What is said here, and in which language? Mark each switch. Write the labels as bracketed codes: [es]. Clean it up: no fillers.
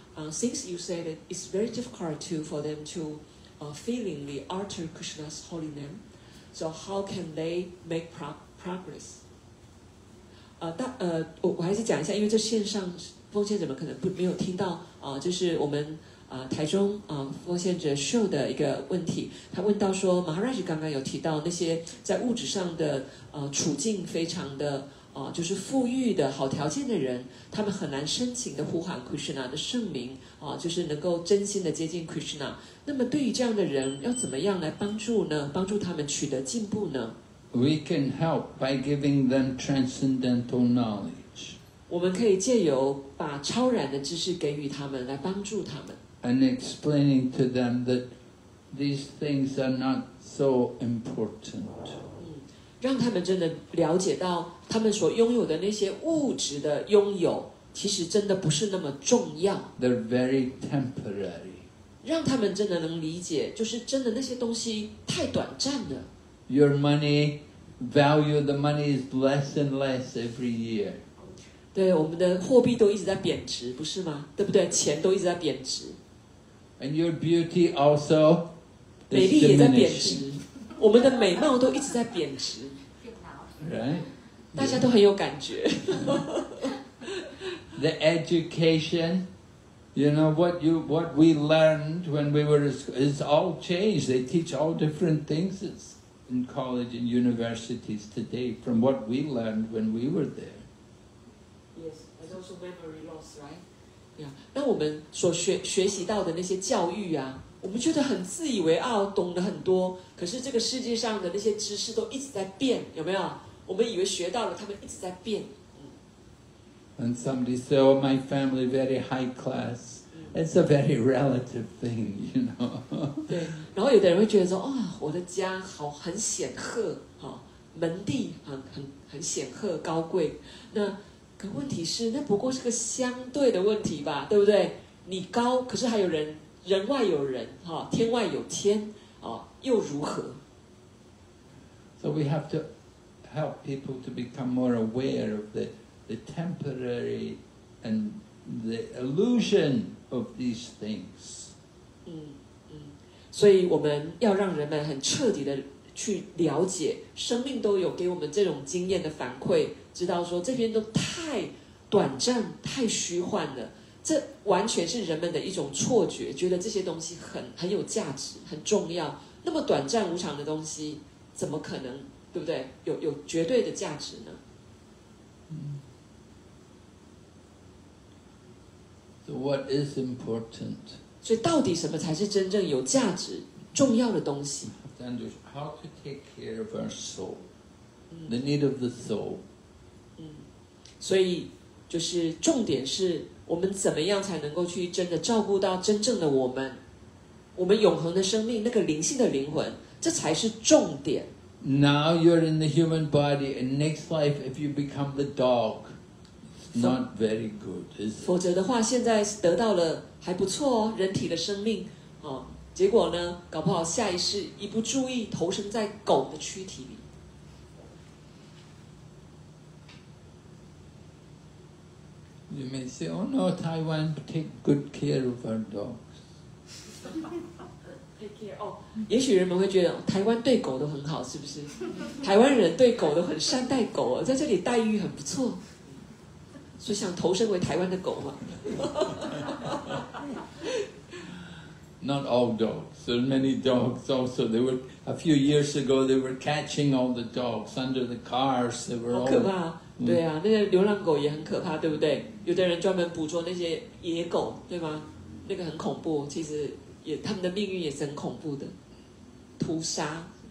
[en] Since you said that it's very difficult too for them to feelingly utter Krishna's holy name, so how can they make progress? [zh] 我还是讲一下，因为这线上奉献者们可能没有听到啊，就是我们台中奉献者秀的一个问题，他问到说 ，Maharaj 刚刚有提到那些在物质上的处境非常的。就是富裕的好条件的人，他们很难深情的呼喊 Krishna 的圣名、就是能够真心的接近 Krishna。那么对于这样的人要怎么样来帮助呢？帮助他们取得进步呢？ [en] We can help by giving them transcendental knowledge。 [zh] 我们可以借由把超然的知识给予他们来帮助他们， [en] and explaining to them that these things are not so important。 [zh] 让他们真的了解到他们所拥有的那些物质的拥有其实真的不是那么重要。 [en] They're very temporary。 [zh] 让他们真的能理解，就是真的那些东西太短暂了。 [en] Your money, value of the money is less and less every year。 [zh] 对，我们的货币都一直在贬值，不是吗？对不对？钱都一直在贬值。 [en] And your beauty also is [zh] 美丽也在贬值，我们的美貌都一直在贬值、 [en] right? [zh] yeah. 大家都很有感觉、 [en] The education, you know, what we learned when we were is all changed. They teach all different things in college and universities today from what we learned when we were there. Yes, and also memory loss, right? [zh] Yeah. 那我们所学习到的那些教育啊，我们觉得很自以为傲，懂得很多，可是这个世界上的那些知识都一直在变，有没有？我们以为学到了，他们一直在变。 [en] And somebody said, "Oh, my family very high class." It's a very relative thing, you know. [zh] 对，然后有的人会觉得说，哦，我的家好很显赫，哈、门第很显赫高贵。那可问题是，那不过是个相对的问题吧，对不对？你高，可是还有人。人外有人，天外有天，又如何？ [en] So we have to help people to become more aware of the temporary and the illusion of these things. [zh] 所以我们要让人们很彻底的去了解，生命都有给我们这种经验的反馈，知道说这边都太短暂，太虚幻了。这完全是人们的一种错觉，觉得这些东西很有价值，很重要。那么短暂无常的东西，怎么可能，对不对？有绝对的价值呢？嗯。 [en] So what is important? [zh] 所以到底什么才是真正有价值、重要的东西 [en] ？Then just how to take care of our soul, the need of the soul. [zh] 所以就是重点是。我们怎么样才能够去真的照顾到真正的我们，我们永恒的生命，那个灵性的灵魂，这才是重点。 [en] Now you're in the human body, and next life, if you become the dog, not very good, is it? [zh] 否则的话，现在得到了还不错哦，人体的生命，哦，结果呢，搞不好下一世一不注意投身在狗的躯体里。 [en] You may say, oh no, Taiwan take good care of our dogs. Take care. [zh] Oh, 也许人们会觉得台湾对狗都很好，是不是？台湾人对狗都很善待狗，在这里待遇很不错，所以想投身为台湾的狗嘛。 [en] Not all dogs. There are many dogs also. They were a few years ago. They were catching all the dogs under the cars. They were all. [zh] 好可怕！对啊，那些流浪狗也很可怕，对不对？有的人专门捕捉那些野狗，对吗？那个很恐怖。其实也，他们的命运也是很恐怖的，屠杀。